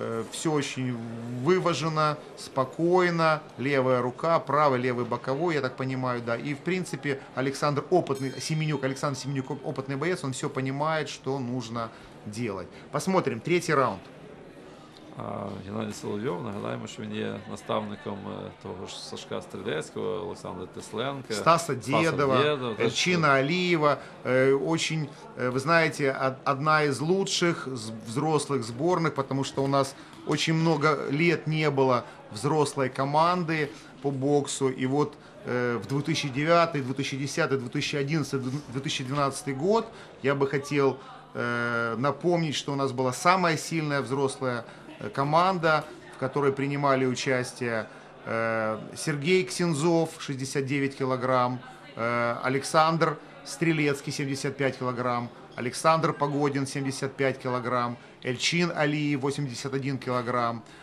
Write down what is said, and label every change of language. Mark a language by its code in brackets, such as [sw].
[ru] все очень выважено, спокойно, левая рука, правый, левый боковой, я так понимаю, да. И, в принципе, Александр опытный, Александр Семенюк опытный боец, он все понимает, что нужно делать. Посмотрим, третий раунд. [uk] Геннадій Соловйов, нагадаємо, що він є наставником того ж Сашка Стрілецького, Олександра Тесленка, Стаса Дєдова, Чина Алієва. Очень, ви знаєте, одна із лучших взрослих зборних, тому що у нас дуже багато років не було взрослої команди по боксу. [ru] І от в 2009, 2010, 2011, 2012 год я би хотів напомнити, що у нас була самая сильная взрослая команда, в которой принимали участие Сергей Ксензов, 69 килограмм, Александр Стрелецкий, 75 килограмм, Александр Погодин, 75 килограмм, Эльчин Алиев, 81 килограмм,